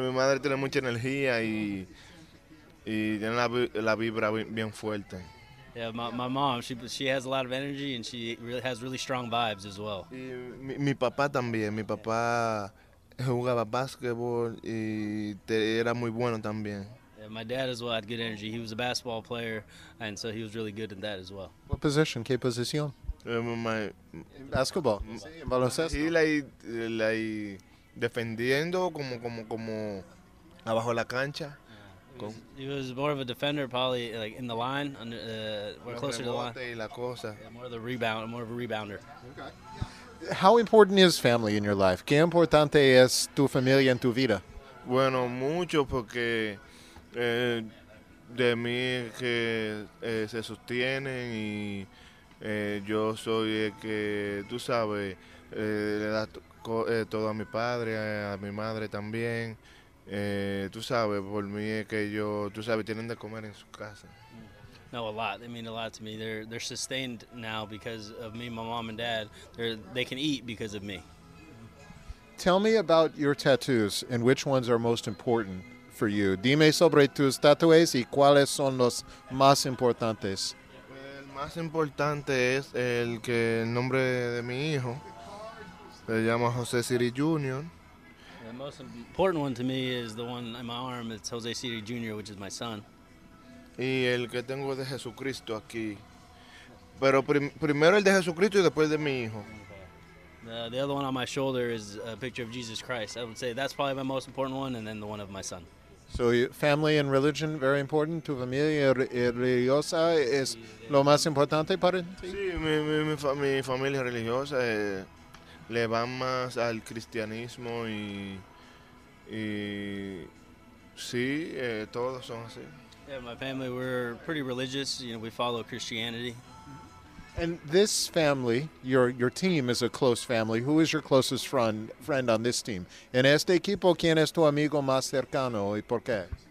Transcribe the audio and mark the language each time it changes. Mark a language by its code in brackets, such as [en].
[es] Mi madre tiene mucha energía y tiene la vibra bien fuerte. [en] Yeah, my mom, she has a lot of energy and she really has really strong vibes as well. [es] Y mi papá también, mi papá... jugaba basketball y era muy bueno también. [en] Yeah, my dad as well had good energy. He was a basketball player, and so he was really good at that as well. What position? [es] ¿Qué posición? [en] My basketball. [es] Baloncesto. Sí, defendiendo como abajo la cancha. [en] He was more of a defender, probably like in the line, under, or closer to the line. [es] Y la cosa. [en] Yeah, more of a rebounder. Okay. How important is family in your life? [es] ¿Qué importante es tu familia en tu vida? Bueno, mucho porque de mí que se sostienen y yo soy el que, tú sabes, le da todo a mi padre, a mi madre también. Tú sabes, por mí es que ellos, tú sabes, tienen de comer en su casa. [en] No, a lot. They mean a lot to me. They're sustained now because of me, my mom and dad. They can eat because of me. Tell me about your tattoos and which ones are most important for you. [es] Dime sobre tus tatuajes y cuáles son los más importantes. El más importante es el que el nombre de mi hijo. Se llama José Siri Jr. [en] The most important one to me is the one in my arm. It's José Siri Jr., which is my son. [es] Y el que tengo de Jesucristo aquí. Pero primero el de Jesucristo y después de mi hijo. [en] The other one on my shoulder is a picture of Jesus Christ. I would say that's probably my most important one, and then the one of my son. So family and religion, very important. [es] Tu familia religiosa es lo más importante para ti? Sí, mi familia religiosa le va más al cristianismo y sí, todos son así. [en] Yeah, my family, we're pretty religious. You know, we follow Christianity. And this family, your team is a close family. Who is your closest friend on this team? [es] En este equipo, ¿quién es tu amigo más cercano y por qué?